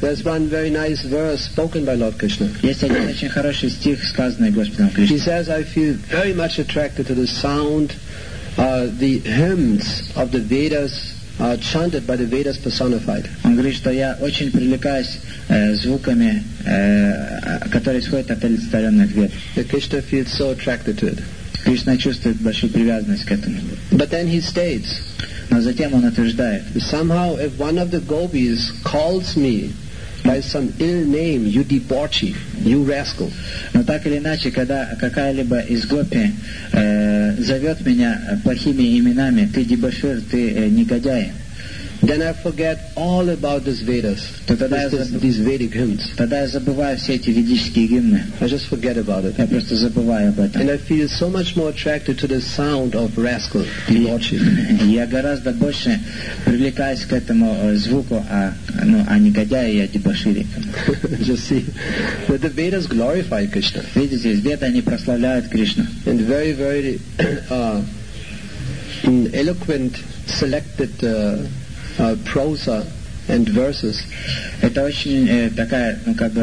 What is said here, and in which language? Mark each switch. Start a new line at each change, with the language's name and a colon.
English: There's one very nice verse spoken by Lord Krishna.
Russian: Есть один очень хороший стих, сказанный Господом Кришной.
English: He says, "I feel very much attracted to the sound, the hymns of the Vedas, chanted by the Vedas personified."
Russian: Он говорит, что я очень привлекаюсь звуками, которые исходят от олицетворенных Вед.
English: The Krishna feels so attracted to it.
Russian: Кришна чувствует большую привязанность к этому.
English: But then he states.
Russian: Но затем он утверждает.
English: Somehow, if one of the gopis calls me by some ill name, you debauchee, you rascal.
Russian: Но так или иначе, когда какая-либо из гопи зовет меня плохими именами, ты дебошир, ты негодяй.
English: Then I forget all about these Vedas. These Vedic hymns.
Russian: Тогда я забываю все эти ведические гимны.
English: I just forget about it.
Russian: Я просто забываю об этом.
English: And I feel so much more attracted to the sound of rascal debauchery.
Russian: Я гораздо больше привлекаюсь к этому звуку, а негодяя я дебоширикам.
English: Just see, but the Vedas glorify Krishna.
Russian: Видите, Веды они прославляют Кришну.
English: And very, very eloquent, selected. Prosa and verses.
Russian: Это очень такая, ну как бы,